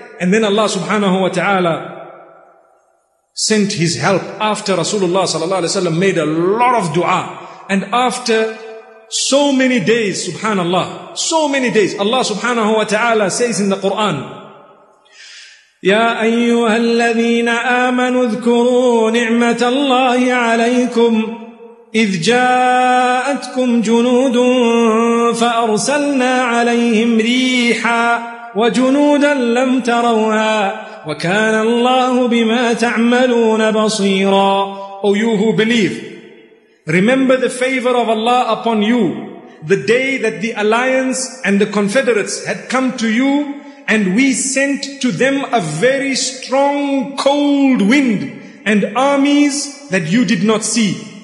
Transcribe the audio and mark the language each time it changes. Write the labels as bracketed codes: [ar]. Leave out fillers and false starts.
[en] And then Allah subhanahu wa ta'ala sent his help after Rasulullah sallallahu alayhi wa sallam made a lot of dua. And after so many days, subhanallah, so many days, Allah subhanahu wa ta'ala says in the Quran, [ar] Ya ayyuha alladhina amanu dhkuru ni'matallahi alaykum إذ جاءتكم جنود فأرسلنا عليهم ريحا وجنودا لم تروها وكان الله بما تعملون بصيرا. [en] O you who believe, Remember the favor of Allah upon you the day that the alliance and the confederates had come to you and we sent to them a very strong cold wind and armies that you did not see.